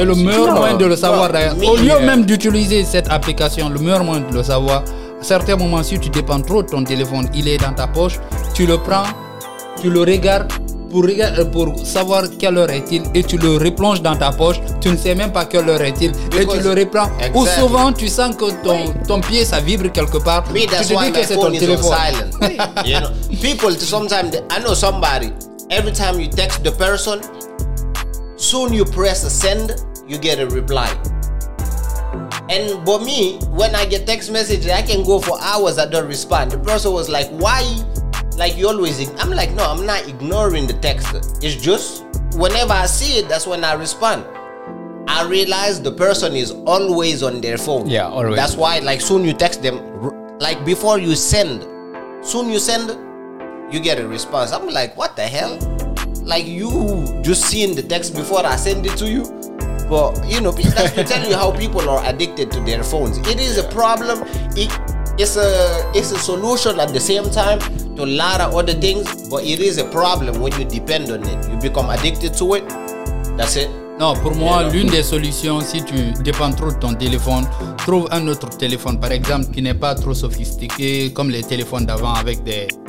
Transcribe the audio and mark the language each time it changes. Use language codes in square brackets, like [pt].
[fr] Et le meilleur moyen de le savoir, d'ailleurs, au lieu même d'utiliser cette application, le meilleur moyen de le savoir, à certains moments, si tu dépends trop de ton téléphone, il est dans ta poche, tu le prends, tu le regardes pour savoir quelle heure est-il et tu le replonges dans ta poche, tu ne sais même pas quelle heure est-il et tu le reprends. Ou souvent, tu sens que ton pied, ça vibre quelque part. [en] Me, that's [fr] tu te dis que c'est ton téléphone. [en] You know, people, sometimes, I know somebody, every time you text the person, soon you press a send, you get a reply. And for me, when I get text messages, I can go for hours, I don't respond. The person was like, why? Like, you always... I'm like, no, I'm not ignoring the text. It's just, whenever I see it, that's when I respond. I realize the person is always on their phone. Yeah, always. That's why, like, soon you text them. Like, before you send, soon you send, you get a response. I'm like, what the hell? Like, you just seen the text before I send it to you. But, you know, that's to tell you how people are addicted to their phones. It is a problem. It's a solution at the same time to a lot of other things. But it is a problem when you depend on it. You become addicted to it. That's it. [fr] Non, pour moi, l'une des solutions, si tu dépends trop de ton téléphone, trouve un autre téléphone, par exemple, qui n'est pas trop sophistiqué, comme les téléphones d'avant avec des...